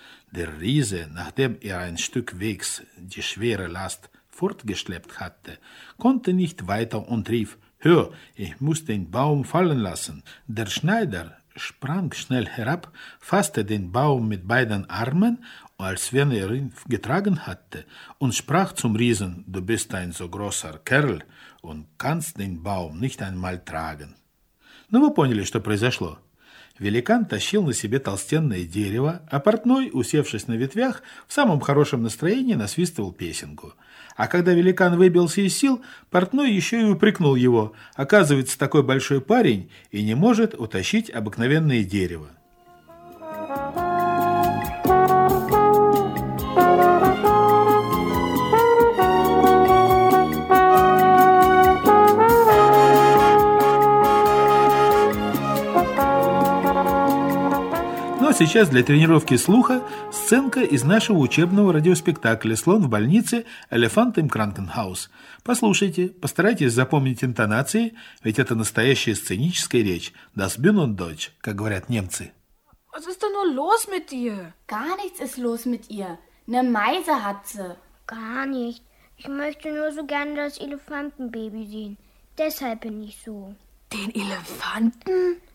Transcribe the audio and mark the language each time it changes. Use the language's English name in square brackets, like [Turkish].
[German] Der Riese, nachdem er ein Stück Wegs die schwere Last fortgeschleppt hatte, konnte nicht weiter und rief, »Hör, ich muss den Baum fallen lassen.« Der Schneider sprang schnell herab, fasste den Baum mit beiden Armen, als wenn er ihn getragen hatte, und sprach zum Riesen, »Du bist ein so großer Kerl und kannst den Baum nicht einmal tragen.« [Russian] Ну, вы поняли, что произошло? Великан тащил на себе толстенное дерево, а портной, усевшись на ветвях, в самом хорошем настроении насвистывал песенку. А когда великан выбился из сил, портной еще и упрекнул его. Оказывается, такой большой парень и не может утащить обыкновенное дерево. сейчас для тренировки слуха сценка из нашего учебного радиоспектакля «Слон в больнице. [German] Элефант им Кранкенхаус». [Russian] Послушайте, постарайтесь запомнить интонации, ведь это настоящая сценическая речь. [German] «Das bin und Deutsch», [Russian] как говорят немцы. [German] Was ist denn nur los mit dir? Gar nichts ist los mit ihr. Eine Meise hat sie. Gar nicht. Ich möchte nur so gerne das Elefantenbaby sehen. Deshalb bin ich so. Den Elefanten?